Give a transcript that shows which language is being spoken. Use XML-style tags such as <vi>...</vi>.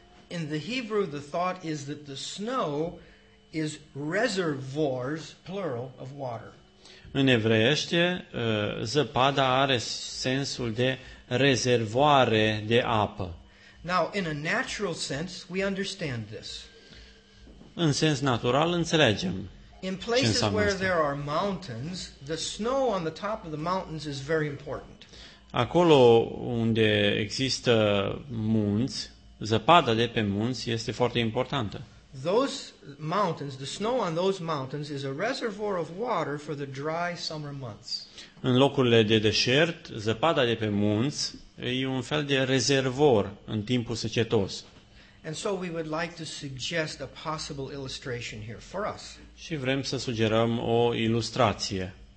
<en>In the Hebrew the thought is that the snow is reservoirs plural of water.</en> <ro>În evreiește zăpada are sensul de rezervoare de apă.</ro> <en>Now in a natural sense we understand this.</en> <ro>În sens natural înțelegem.</ro> <en>In places where there are mountains, the snow on the top of the mountains is very important.</en> <ro>Acolo unde există munți, zăpada de pe munți este foarte importantă.</ro> <en>Those mountains, the snow on those mountains is a reservoir of water for the dry summer months.</en> <ro>În locurile de deșert, zăpada de pe munți e un fel de rezervor în timpul secetos.</ro> <en>And so we would like to suggest a possible illustration here for us.</en> <ro>Și vrem să sugerăm o ilustrație.</ro>